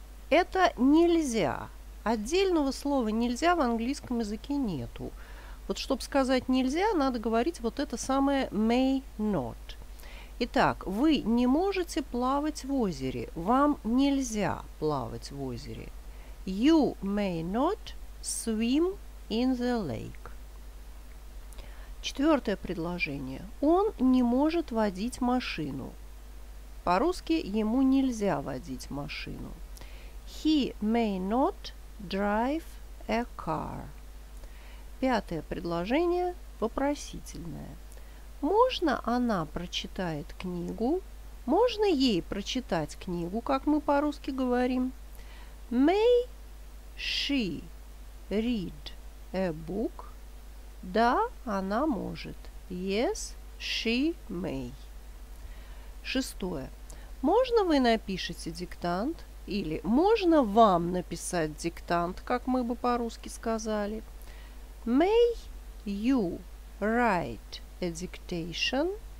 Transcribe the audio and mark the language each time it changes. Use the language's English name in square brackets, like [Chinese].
[Russian] Это нельзя. Отдельного слова «нельзя» в английском языке нету. Вот чтобы сказать «нельзя», надо говорить вот это самое may not. Итак, вы не можете плавать в озере. Вам нельзя плавать в озере. [English] You may not swim in the lake. [Russian] Четвертое предложение. Он не может водить машину. По-русски ему нельзя водить машину. [English] He may not drive a car. [Russian] Пятое предложение вопросительное. Можно она прочитает книгу? Можно ей прочитать книгу, как мы по-русски говорим? [English] May she read a book? [Russian] Да, она может. [English] Yes, she may. [Russian] Шестое. Можно вы напишете диктант? Или можно вам написать диктант, как мы бы по-русски сказали? [English] May you write a dictation?